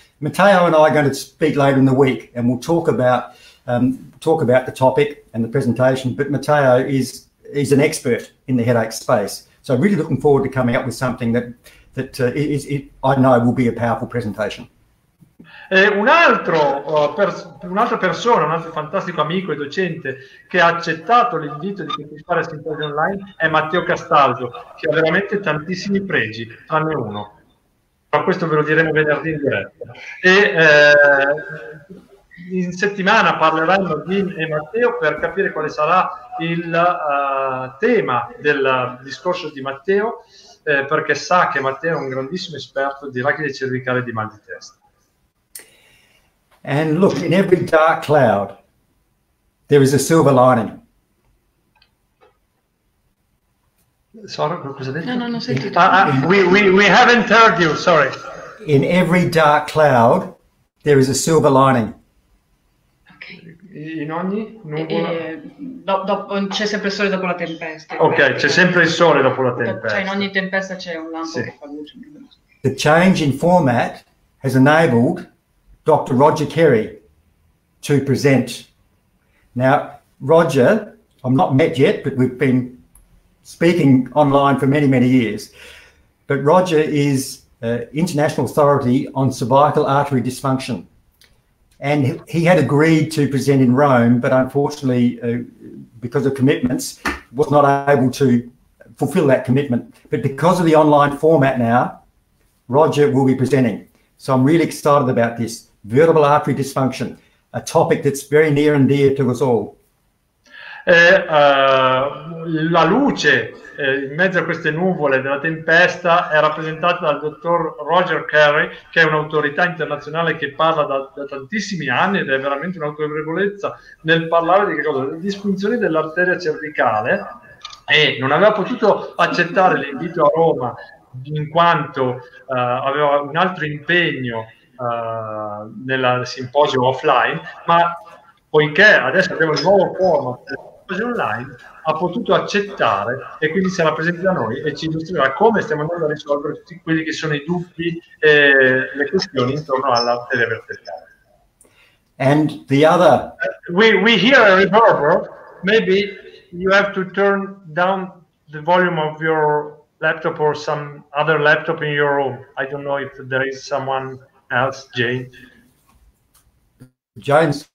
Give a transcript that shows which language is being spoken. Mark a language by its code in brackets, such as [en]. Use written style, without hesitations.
[en] Matteo and I are going to speak later in the week and we'll talk about the topic and the presentation, but Matteo is an expert in the headache space. So really looking forward to coming up with something that I know will be a powerful presentation. [it] Un'altra persona, un altro fantastico amico e docente che ha accettato l'invito di partecipare al simposio online è Matteo Castaldo, che ha veramente tantissimi pregi, tranne uno. Ma questo ve lo diremo venerdì in diretta. In settimana parleranno Dean e Matteo per capire quale sarà il tema del discorso di Matteo, perché sa che Matteo è un grandissimo esperto di rachide cervicale e di mal di testa. [en] And look, in every dark cloud there is a silver lining. [it] Sorry, cosa detto? No, non sentito. [en] We haven't heard you, sorry. In every dark cloud there is a silver lining. [it] In ogni nuvola c'è sempre il sole dopo la tempesta. Ok, c'è sempre il sole dopo la tempesta. Cioè in ogni tempesta c'è un lampo, sì, che fa luce. [en] The change in format has enabled Dr. Roger Carey to present. Now, Roger, I'm not met yet, but we've been speaking online for many, many years. But Roger is an international authority on cervical artery dysfunction. And he had agreed to present in Rome, but unfortunately, because of commitments, was not able to fulfill that commitment. But because of the online format now, Roger will be presenting. So I'm really excited about this. Vertebral artery dysfunction, a topic that's very near and dear to us all. [it] La luce in mezzo a queste nuvole della tempesta è rappresentata dal dottor Roger Carey, che è un'autorità internazionale che parla da tantissimi anni ed è veramente un'autorevolezza nel parlare di che cosa? Le disfunzioni dell'arteria cervicale, e non aveva potuto accettare l'invito a Roma in quanto aveva un altro impegno nel simposio offline, ma poiché adesso abbiamo il nuovo format online ha potuto accettare e quindi sarà presente da noi e ci illustrerà come stiamo andando a risolvere tutti quelli che sono i dubbi e le questioni intorno alla televertebrale. [en] And the other we hear a reverb, maybe you have to turn down the volume of your laptop or some other laptop in your room. I don't know if there is someone else. Jane's